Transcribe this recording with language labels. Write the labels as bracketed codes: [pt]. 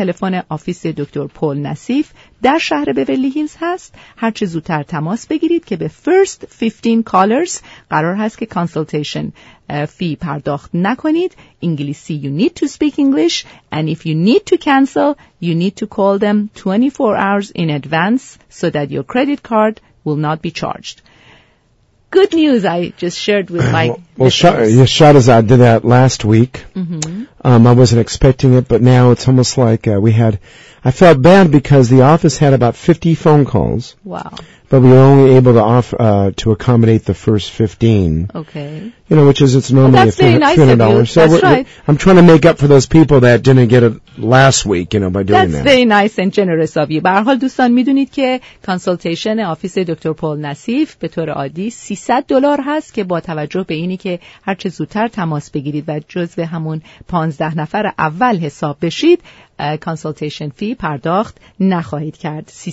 [fa] تلفن آفیس دکتر پل نصیف در شهر بیولی هیلز هست. هر چه زودتر تماس بگیرید که به [en] first 15 callers [fa] قرار هست که کانسلتیشن فی پرداخت نکنید. [en] انگلیسی، you need to speak English, and if you need to cancel, you need to call them 24 hours in advance so that your credit card will not be charged. Good news I just shared with my Shahrazad did that last week. Mm-hmm. I wasn't expecting it, but now it's almost like I felt bad because the office had about 50 phone calls. Wow. But we were only able to offer to accommodate the first 15. Okay. You know, which is, it's normally $300. So that's right. I'm trying to make up for those people that didn't get it last week, you know, by doing that's that. That's very nice and generous of you. [fa] به هر حال دوستان میدونید که کانسلتیشن آفیس دکتر پل نصیف به طور عادی $300 هست که با توجه به اینی که هر چه زودتر تماس بگیرید و جزو همون 15 نفر اول حساب بشید، کانسلتیشن فی پرداخت نخواهید کرد.